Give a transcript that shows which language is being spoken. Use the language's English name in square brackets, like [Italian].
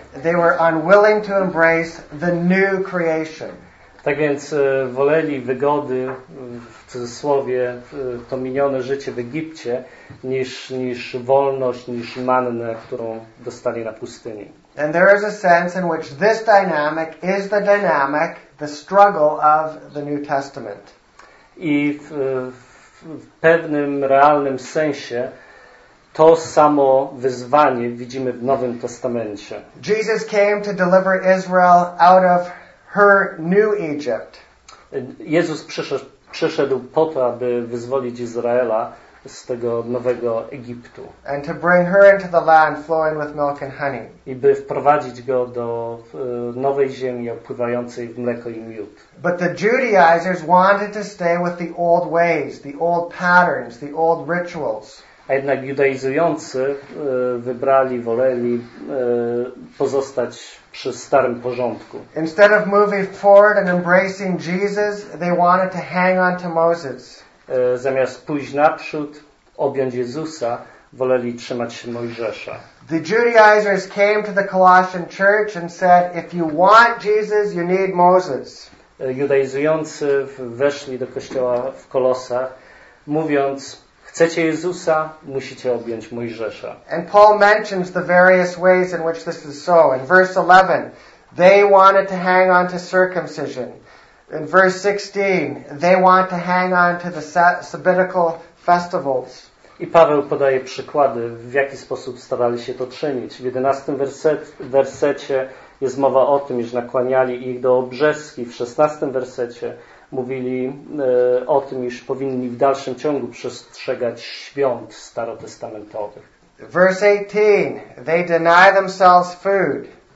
[English] They were unwilling to embrace the new creation. [Polish] Tak więc woleli wygody, w cudzysłowie, to minione życie w Egipcie, niż wolność, niż mannę, którą dostali na pustyni. [English] And there is a sense in which this dynamic is the dynamic, the struggle of the New Testament. [Polish] I w pewnym realnym sensie to samo wyzwanie widzimy w Nowym Testamencie. [English] Jesus came to deliver Israel out of her new Egypt. [Polish] Jezus przyszedł po to, aby wyzwolić Izraela z tego nowego Egiptu. [English] And to bring her into the land flowing with milk and honey. [Polish] I by wprowadzić go do nowej ziemi opływającej w mleko i miód. [English] But the Judaizers wanted to stay with the old ways, the old patterns, the old rituals. [Polish] A jednak judaizujący wybrali, woleli pozostać przy starym porządku. [English] Instead of moving forward and embracing Jesus, they wanted to hang on to Moses. [Polish] Zamiast pójść naprzód, objąć Jezusa, woleli trzymać się Mojżesza. [English] The Judaizers came to the Colossian church and said, if you want Jesus, you need Moses. [Polish] Judaizujący weszli do kościoła w Kolosach, mówiąc, chcecie Jezusa, musicie objąć Mojżesza. [English] And Paul mentions the various ways in which this is so. In verse 11, they wanted to hang on to circumcision. In verse 16, they want to hang on to the sabbatical festivals. [Polish] I Paweł podaje przykłady, w jaki sposób starali się to czynić. W 11 wersecie jest mowa o tym, iż nakłaniali ich do obrzeski. W 16 wersecie mówili o tym, iż powinni w dalszym ciągu przestrzegać świąt starotestamentowych. [English] Verse 18, they deny themselves food.